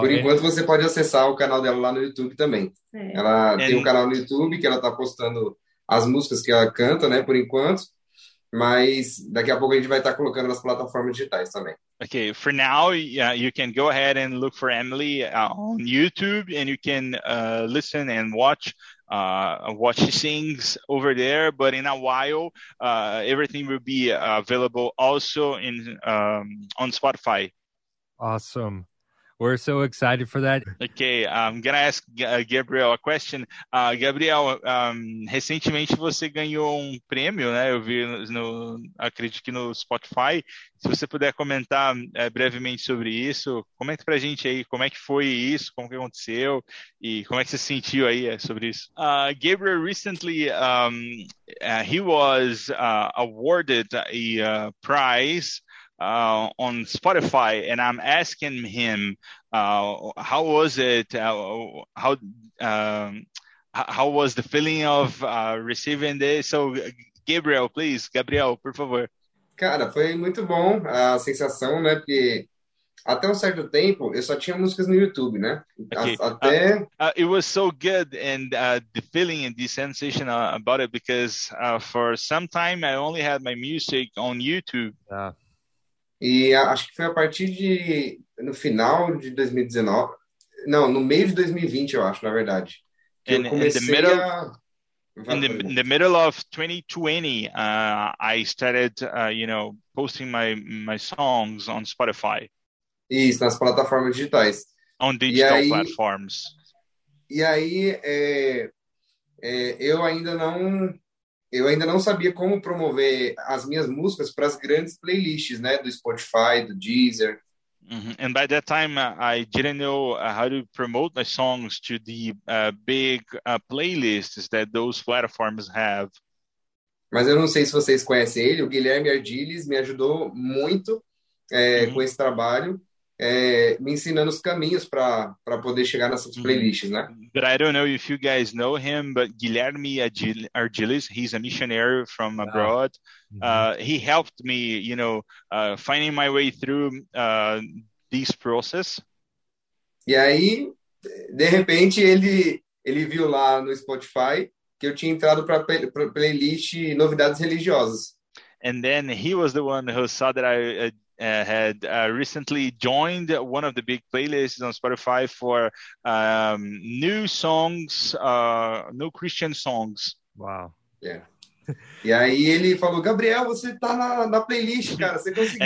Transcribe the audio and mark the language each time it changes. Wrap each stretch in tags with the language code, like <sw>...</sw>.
<pt>Por enquanto, você pode acessar o canal dela lá no YouTube também. Ela tem um canal no YouTube que ela está postando as músicas que ela canta, né, por enquanto. Mas daqui a pouco a gente vai estar colocando nas plataformas digitais também.</pt> <en>Ok, for now, you can go ahead and look for Emily on YouTube and you can listen and watch what she sings over there. But in a while, everything will be available also in on Spotify. Awesome. We're so excited for that. Okay, I'm going to ask Gabriel a question.</en> <pt>Gabriel, recentemente você ganhou um prêmio, né? Eu vi, acredito que no Spotify. Se você puder comentar brevemente sobre isso, comenta pra gente aí como é que foi isso, como que aconteceu e como é que você sentiu aí sobre isso.</pt> <en>Gabriel, recently, he was awarded a prize on Spotify, and I'm asking him how was it, how was the feeling of receiving this?</en> <pt>So Gabriel, por favor. Cara, foi muito bom a sensação, né, porque até um certo tempo eu só tinha músicas no YouTube, né?</pt> <en>Okay. It was so good, and the feeling and the sensation about it, because for some time I only had my music on YouTube.</en> <pt>E acho que foi a partir de, no final de 2019, não, no meio de 2020, eu acho, na verdade, que</pt> <en>and,</en> <pt>eu comecei</pt> <en>In the middle of 2020, I started, you know, posting my songs on Spotify.</en> <pt>Isso, nas plataformas digitais.</pt> <en>On digital platforms.</en> <pt>E aí, eu ainda não sabia como promover as minhas músicas para as grandes playlists, né? Do Spotify, do Deezer. Mm-hmm.</pt> <en>And by that time, I didn't know how to promote my songs to the big playlists that those platforms have.</en> <pt>Mas eu não sei se vocês conhecem ele. O Guilherme Ardiles me ajudou muito com esse trabalho. me ensinando os caminhos para poder chegar nessas playlists, né?</pt> <en>But I don't know if you guys know him, but Guilherme Argilis, he's a missionary from abroad. He helped me, you know, finding my way through this process.</en> <pt>E aí, de repente, ele viu lá no Spotify que eu tinha entrado para a playlist Novidades Religiosas.</pt> <en>And then he was the one who saw that I had recently joined one of the big playlists on Spotify for new songs, new Christian songs. Wow. Yeah.</en> <pt>E aí ele falou, Gabriel, você tá na playlist, cara, você conseguiu.</pt>